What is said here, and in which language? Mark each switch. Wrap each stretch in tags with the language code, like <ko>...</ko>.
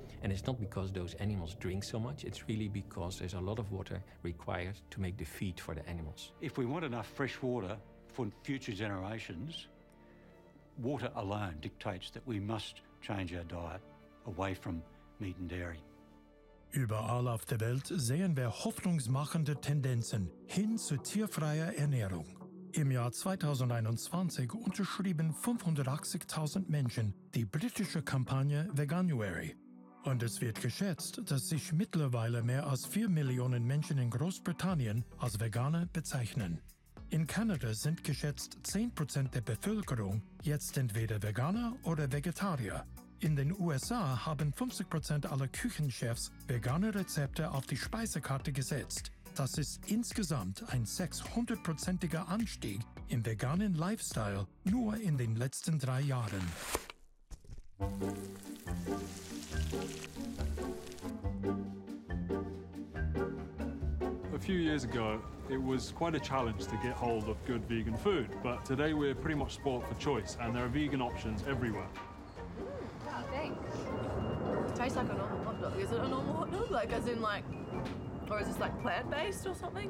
<en>And it's not because those animals drink so much, it's really because there's a lot of water required to make the feed for the animals. If we want enough fresh water for future generations, water alone dictates that we must change our diet away from meat and dairy.</en> <de>Überall auf der Welt sehen wir hoffnungsmachende Tendenzen hin zu tierfreier Ernährung. Im Jahr 2021 unterschrieben 580.000 Menschen die britische Kampagne Veganuary. Und es wird geschätzt, dass sich mittlerweile mehr als 4 Millionen Menschen in Großbritannien als Veganer bezeichnen. In Kanada sind geschätzt 10% der Bevölkerung jetzt entweder Veganer oder Vegetarier. In den USA haben 50% aller Küchenchefs vegane Rezepte auf die Speisekarte gesetzt. Das ist insgesamt ein 600-prozentiger Anstieg im veganen Lifestyle nur in den letzten 3 Jahren.</de> <en>A few years ago, it was quite a challenge to get hold of good vegan food, but today we're pretty much spoilt for choice and there are vegan options everywhere. Thanks. It tastes like a normal hot dog. Is it a normal hot dog? Like, as in, like, or is this, like, plant-based or something?</en>